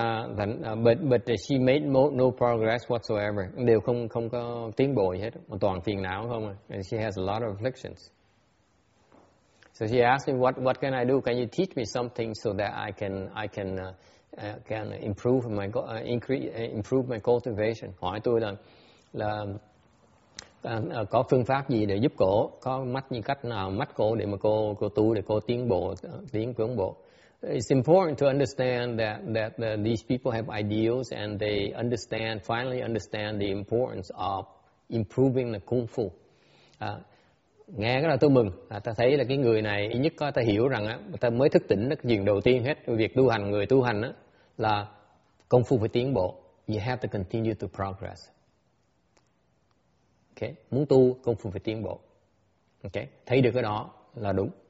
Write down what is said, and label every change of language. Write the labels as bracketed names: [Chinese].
[English] But she made no progress whatsoever. [Vietnamese] Đều không có tiến bộ gì hết, toàn phiền não không. [English] And she has a lot of afflictions. So she asked me, what can I do? Can you teach me something so that I can improve my improve my cultivation? [Vietnamese] Hỏi tôi là có phương pháp gì để giúp cổ, có mắt như cách nào mắt cổ để mà cô tu để cô tiến bộ. [English] It's important to understand that these people have ideals and they finally understand the importance of improving the kung fu. [Vietnamese] Nghe cái là tôi mừng, ta thấy là cái người này ít nhất có ta hiểu rằng ta mới thức tỉnh cái chuyện đầu tiên hết, việc tu hành, người tu hành là công phu phải tiến bộ. [English] You have to continue to progress. [Vietnamese] Okay, muốn tu công phu phải tiến bộ. Okay, thấy được cái đó là đúng.